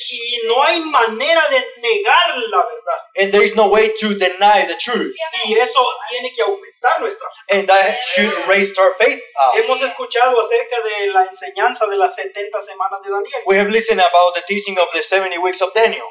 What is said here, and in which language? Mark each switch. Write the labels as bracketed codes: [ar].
[es] Y no hay manera de negar la verdad. [en] And there is no way to deny the truth. [es] Y eso tiene que aumentar nuestra fe. [en] And that should raise our faith up. [es] Hemos escuchado acerca de la enseñanza de las 70 semanas de Daniel. [en] We have listened about the teaching of the 70 weeks of Daniel.